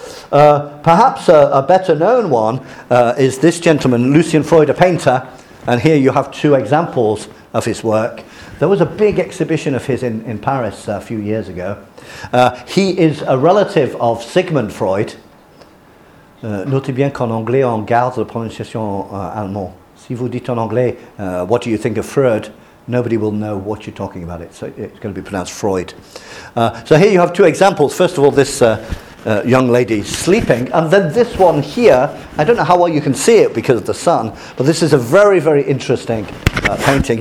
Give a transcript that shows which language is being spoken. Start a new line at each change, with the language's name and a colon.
English: Perhaps a better known one is this gentleman, Lucian Freud, a painter. And here you have two examples of his work. There was a big exhibition of his in Paris a few years ago. He is a relative of Sigmund Freud.
French: Notez bien qu'en anglais, on garde la prononciation allemand. Si vous dites en anglais,
English: what do you think of Freud? Nobody will know what you're talking about. It's it's going to be pronounced Freud. So here you have two examples. First of all, this young lady sleeping. And then this one here, I don't know how well you can see it because of the sun, but this is a very, very interesting painting.